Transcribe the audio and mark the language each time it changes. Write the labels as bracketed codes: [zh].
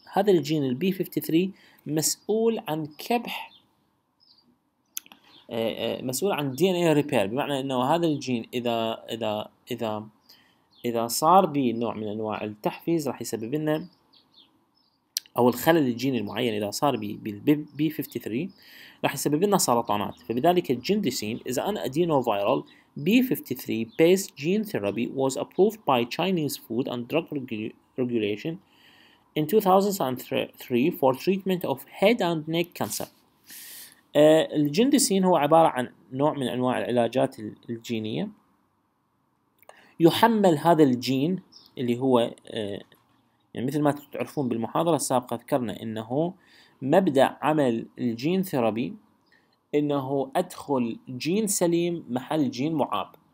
[ar] هذا الجين الـ B53 مسؤول عن كبح، مسؤول عن [en] D N A repair. [ar] بمعنى انه هذا الجين اذا اذا اذا اذا صار به نوع من انواع التحفيز راح يسبب لنا او الخلل الجيني المعين اذا صار به بالـ B53 راح يسبب لنا سرطانات. فبذلك [en] الجندسين is an adenoviral B53 based gene therapy was approved by Chinese Food and Drug Regulation in 2003 for treatment of head and neck cancer. [ar] الجندسين هو عبارة عن نوع من أنواع العلاجات الجينية. يحمل هذا الجين اللي هو يعني مثل ما تعرفون بالمحاضرة السابقة ذكرنا أنه مبدأ عمل [en] الجين ثيرابي [ar] انه ادخل جين سليم محل جين معاب.